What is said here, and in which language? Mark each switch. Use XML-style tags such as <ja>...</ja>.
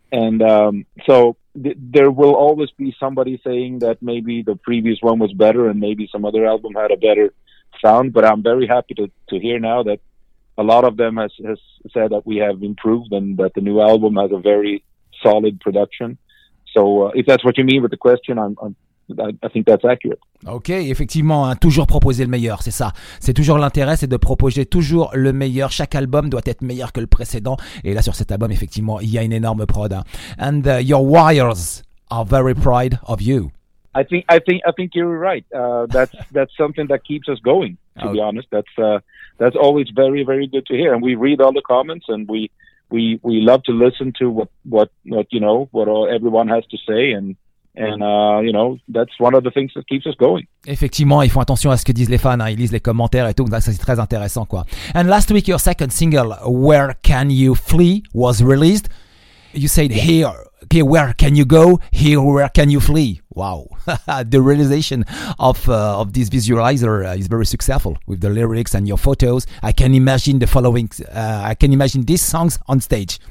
<en>And there will always be somebody saying that maybe the previous one was better and maybe some other album had a better sound. But I'm very happy to hear now that a lot of them has said that we have improved and that the new album has a very solid production. So if that's what you mean with the question, I think that's accurate.</en> <fr>Okay, effectivement, hein, toujours proposer le meilleur, c'est ça. C'est toujours l'intérêt, c'est de proposer toujours le meilleur. Chaque album doit être meilleur que le précédent. Et là, sur cet album, effectivement, il y a une énorme prod. Hein.</fr> <en>And your wires are very proud of you. I think you're right. That's something that keeps us going. To be honest, that's always very very good to hear. And we read all the comments, and we love to listen to what you know what all, everyone has to say and. And you know, that's one of the things that keeps us going.</en> <fr>Effectivement, ils font attention à ce que disent les fans, hein. Ils lisent les commentaires et tout, donc ça c'est très intéressant quoi.</fr> <en>And last week your second single Where Can You Flee was released. You said here, okay, where can you go? Here, where can you flee? Wow. The realization of this visualizer is very successful with the lyrics and your photos. I can imagine the following I can imagine these songs on stage.</en>